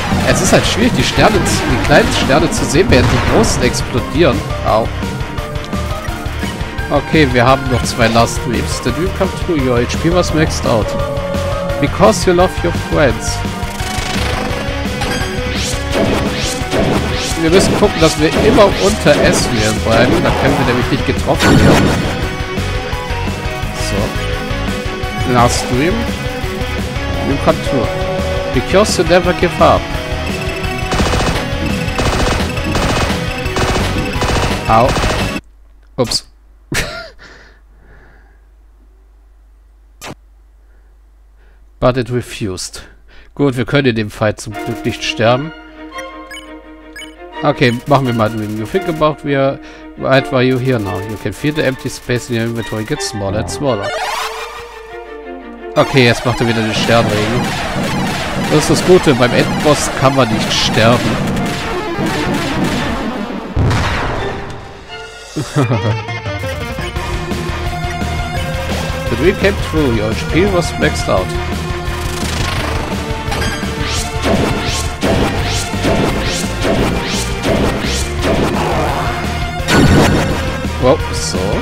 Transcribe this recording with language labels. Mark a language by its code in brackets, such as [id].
[de] Es ist halt schwierig, die kleinen Sterne zu sehen, während die großen explodieren. Au. Okay, wir haben noch zwei Last Dreams. [en] The dream come true, your HP was maxed out. Because you love your friends. [de] Wir müssen gucken, dass wir immer unter S-Wählen bleiben. Da können wir nämlich nicht getroffen werden. [en] So. Last Dream. Dream come true. Because you never give up. Au. Ups. But it refused. [de] Gut, wir können in dem Fight zum Glück nicht sterben. Okay, machen wir mal. [en] You think about where right were you here now. You can feel the empty space in your inventory gets smaller and smaller. [de] Okay, jetzt macht er wieder den Sternregen. Das ist das Gute, beim Endboss kann man nicht sterben. [en] The dream came true, your HP was maxed out. Well, so.